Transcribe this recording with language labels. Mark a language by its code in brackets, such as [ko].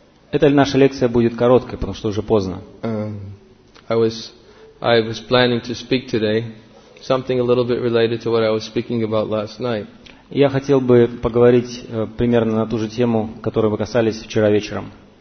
[ru] Эта наша лекция будет короткой, потому что уже поздно. [en] I was planning to speak today, something a little bit related to what I was speaking about last night. [ru] Я хотел бы поговорить примерно на ту же тему, которую вы касались вчера вечером.